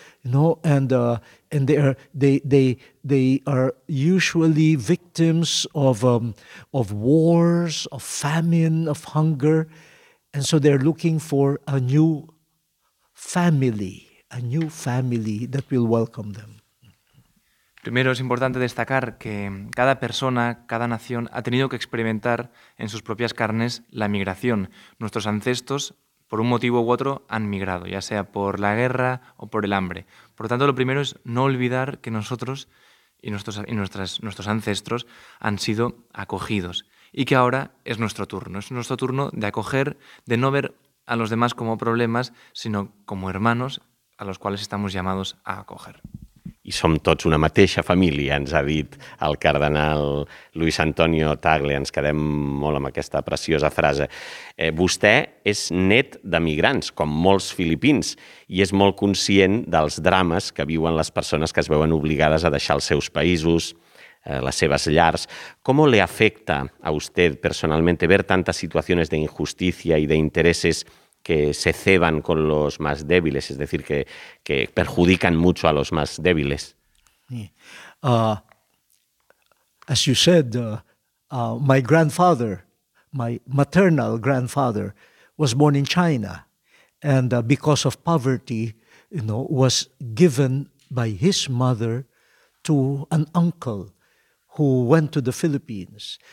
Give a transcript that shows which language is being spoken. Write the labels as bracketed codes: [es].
[en] You know, and they are usually victims of wars, of famine, of hunger, and so they're looking for a new family that will welcome them. [es] Primero es importante destacar que cada persona, cada nación ha tenido que experimentar en sus propias carnes la migración. Nuestros ancestros, por un motivo u otro, han migrado, ya sea por la guerra o por el hambre. Por lo tanto, lo primero es no olvidar que nosotros y nuestros ancestros han sido acogidos y que ahora es nuestro turno. Es nuestro turno de acoger, de no ver a los demás como problemas, sino como hermanos a los cuales estamos llamados a acoger. [ca] i som tots una mateixa família, ens ha dit el cardenal Luis Antonio Tagle. Ens quedem molt amb aquesta preciosa frase. Vostè és net d'emigrants, com molts filipins, i és molt conscient dels drames que viuen les persones que es veuen obligades a deixar els seus països, les seves llars. [es] ¿Cómo le afecta a usted personalmente ver tantas situaciones de injusticia y de intereses que se ceban con los más débiles, es decir, que perjudican mucho a los más débiles? [en] As you said, my grandfather, my maternal grandfather, was born in China, and because of poverty, you know, was given by his mother to an uncle who went to the Philippines.